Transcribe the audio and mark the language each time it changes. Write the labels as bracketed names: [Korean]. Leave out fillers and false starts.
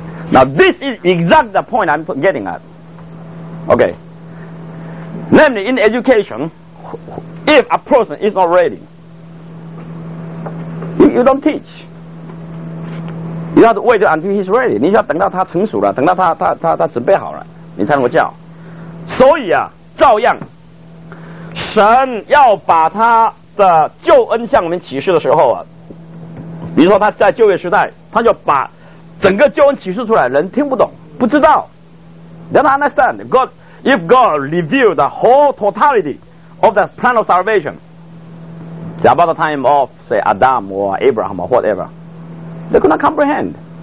[English] Now, this is exactly the point I'm getting at. Okay. Namely, in education, if a person is not ready, you don't teach. You have to wait until he's ready. [Chinese] 你要等到他成熟了, 等到他准备好了, 你才能够叫。所以啊, 照样, 神要把他的救恩向我们启示的时候啊, 比如说他在旧约时代, 他就把整个救恩启示出来, 人听不懂, 不知道。 [English] Then I understand, God, if God revealed the whole totality of the plan of salvation, about the time of, say, Adam or Abraham or whatever, they could not comprehend.